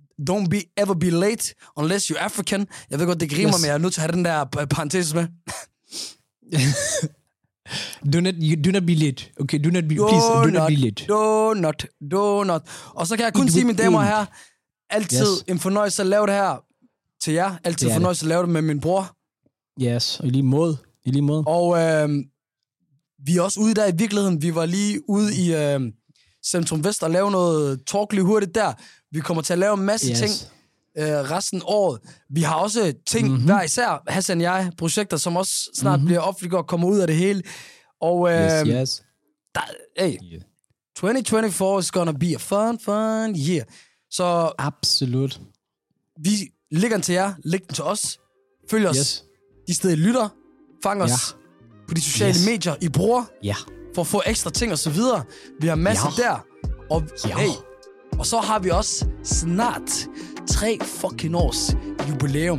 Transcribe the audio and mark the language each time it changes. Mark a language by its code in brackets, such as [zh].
[en] Don't be ever be late, unless you're African. [da] Jeg ved godt, det griner mig, men jeg er nødt til at have den der parentes med. [en] do not be late. Okay, do not be, do please, do not, not be late. Do not. [da] Og så kan jeg kun sige, mine damer her, altid en fornøjelse at lave det her til jer. Altid en fornøjelse at lave det med min bror. Yes, og i lige måde. Og vi er også ude der i virkeligheden. Vi var lige ude i Centrum Vest og lave noget talk lige hurtigt der. Vi kommer til at lave en masse ting resten af året. Vi har også ting, hver især, Hassan og jeg, projekter, som også snart bliver offentliggjort og kommer ud af det hele. Og yes. [en] Hey, 2024 is gonna be a fun year. [da] Så absolut. Vi lægger den til jer, læg den til os, følg os. De steder, I lytter, fang os på de sociale medier, I bruger, for at få ekstra ting og så videre. Vi har masser der. Og, og så har vi også snart 3 fucking års jubilæum.